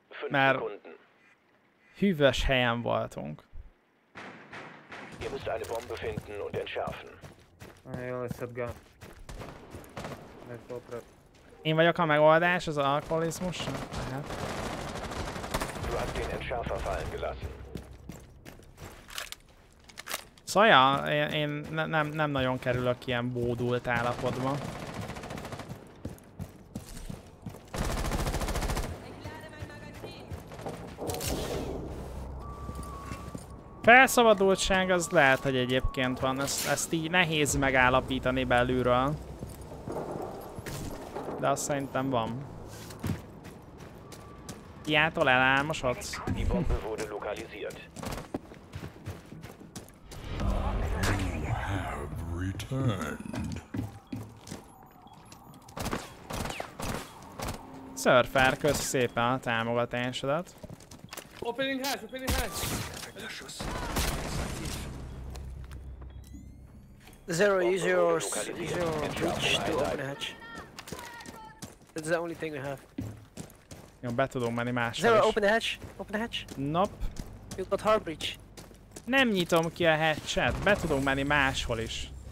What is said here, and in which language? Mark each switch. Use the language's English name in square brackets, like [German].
[Hungarian] Mert hűvös helyen voltunk. [German] Ihr müsst eine Bombe finden und entschärfen. [Hungarian] Jó, ez hat gond. Én vagyok a megoldás, az alkoholizmus? Lehet. [German] Du hast den Entschärfer fallen gelassen. [Hungarian] Szóval, ja, én nem nagyon kerülök ilyen bódult állapotba. Felszabadultság az lehet, hogy egyébként van, ezt így nehéz megállapítani belülről. De azt szerintem van. Hiától elálmosodsz. [German] Die Bombe wurde lokalisiert. [English] Returned. [Hungarian] Surfer, kösz szépen a támogatásodat. [English] Opening hatch, opening hatch. Zero, use your breach to open a hatch. That's the only thing we have. [Hungarian] Jó, be tudom menni másra is. [English] Zero, open the hatch. Nope. You've got hard breach. [Hungarian] Nem nyitom ki a hatchet, be tudom menni máshol is.